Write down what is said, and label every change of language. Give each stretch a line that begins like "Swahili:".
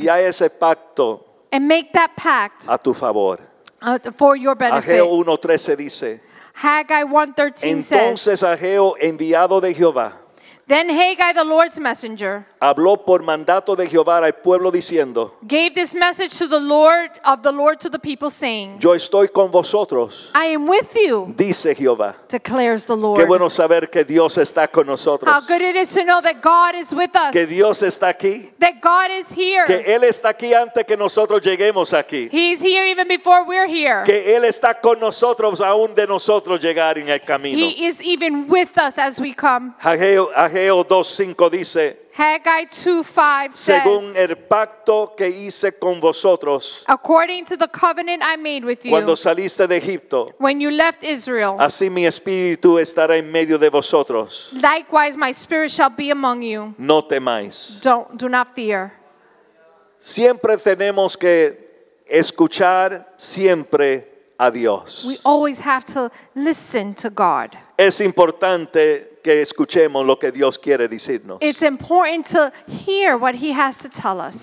Spanish: Y a ese pacto.
English: And make that pact.
Spanish: A tu favor.
English: For your benefit.
Spanish: Ageo 1:13 dice.
English: Haggai 1:13 says.
Spanish: Entonces Ageo, enviado de Jehová.
English: Then Haggai, the Lord's messenger,
Spanish: habló por mandato de Jehová al pueblo diciendo,
English: gave this message to the Lord of the Lord to the people saying,
Spanish: yo estoy con vosotros,
English: I am with you,
Spanish: dice Jehová,
English: declares the Lord.
Spanish: Qué bueno saber que Dios está con nosotros.
English: How good it is to know that God is with us.
Spanish: Que Dios está aquí.
English: That God is here.
Spanish: Que Él está aquí antes que nosotros lleguemos aquí.
English: He's here even before we're here.
Spanish: Que Él está con nosotros aún de nosotros llegar en el camino.
English: He is even with us as we come.
Spanish: Ageo 2:5 dice,
English: Haggai 2:5 says,
Spanish: según el pacto que hice con vosotros,
English: according to the covenant I made with you,
Spanish: cuando saliste de Egipto,
English: when you left Israel,
Spanish: así mi espíritu estará en medio de vosotros.
English: Likewise, my spirit shall be among you.
Spanish: No temáis.
English: Do not fear.
Spanish: Siempre tenemos que escuchar siempre a Dios.
English: We always have to listen to God.
Spanish: Es importante que escuchemos lo que Dios quiere decirnos.
English: It's important to hear what he has to tell us.